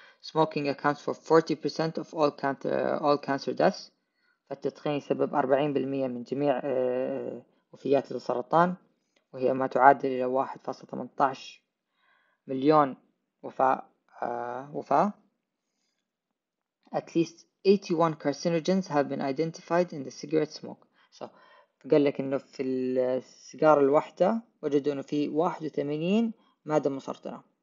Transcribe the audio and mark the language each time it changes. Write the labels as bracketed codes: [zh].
[en] smoking accounts for 40% of all cancer deaths. [ar] فالتدخين يسبب 40% من جميع وفيات السرطان، وهي ما تعادل إلى 1.18 مليون وفاة. [en] at least 81 carcinogens have been identified in the cigarette smoke. [ar] So قال لك إنه في السيجارة الواحدة وجدوا إنه في 81 مادة مسرطنة.